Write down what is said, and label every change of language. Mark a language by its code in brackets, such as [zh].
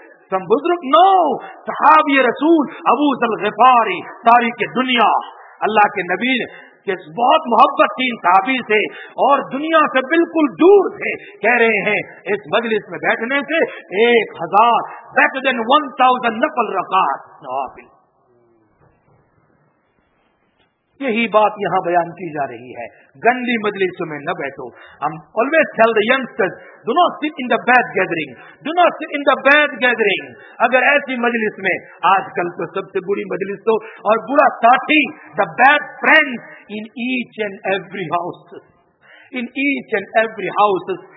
[ur] سم بزرگ نو صحابی رسول ابو ذر غفاری تاریخ دنیا، اللہ کے نبی کے بہت محبت تھی ان صحابی سے اور دنیا سے بالکل دور تھے، کہہ رہے ہیں اس مجلس میں بیٹھنے سے 1000 بیٹر دین 1000 نفل رکعت نوافل. یہی بات یہاں بیان کی جا رہی ہے، گندی مجلسوں میں نہ بیٹھو. [en] I'm always tell the youngsters, do not sit in the bad gathering. [ur] اگر ایسی مجلس میں، آج کل تو سب سے بری مجلس تو اور برا ساتھی [en] the bad friends in each and every house.